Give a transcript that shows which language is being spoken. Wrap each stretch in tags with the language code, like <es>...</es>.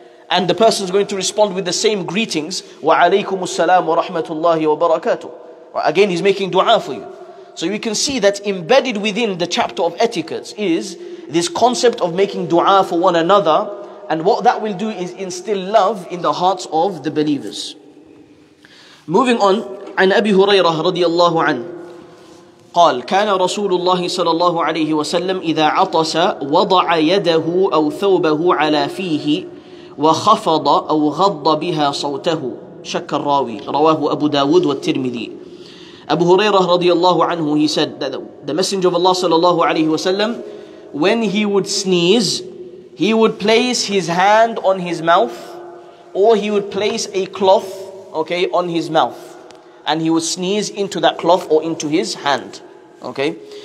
<en>And the person is going to respond with the same greetings,</en> <ar>wa alaykum assalam wa rahmatullahi wa barakatuh.</ar> <en>Again, he's making dua for you. So you can see that embedded within the chapter of etiquettes is this concept of making dua for one another. And what that will do is instill love in the hearts of the believers. Moving on,</en> <ar>عن أبي هريرة رضي الله عنه قال كان رسول الله صلى الله عليه وسلم إذا عطس وضع يده أو ثوبه على فيه وخفض أو غض بها صوته شك الراوي رواه أبو داود والترمذي.</ar> <en>أبو هريرة رضي الله عنه, he said that the Messenger of Allah صلى الله عليه وسلم, when he would sneeze, he would place his hand on his mouth, or he would place a cloth, okay, on his mouth, and he would sneeze into that cloth or into his hand, okay.</en>